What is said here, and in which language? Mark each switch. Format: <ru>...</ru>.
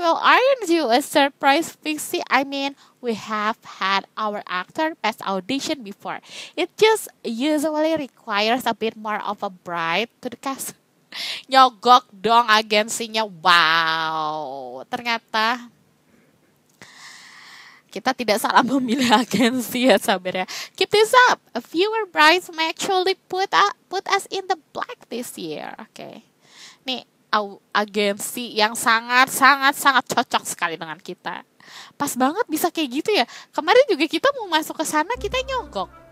<en>Well, aren't you a surprise, Pixie? I mean, we have had our actor pass audition before. It just usually requires a bit more of a bribe to the cast.</en> <id>Nyogok dong agensinya. Wow. Ternyata kita tidak salah memilih agensi ya, Sabir ya.</id> <en>Keep this up. A fewer brides may actually put us in the black this year.</en> <id>Okay. Nih, agensi yang sangat-sangat-sangat cocok sekali dengan kita. Pas banget bisa kayak gitu ya. Kemarin juga kita mau masuk ke sana, kita nyogok.</id>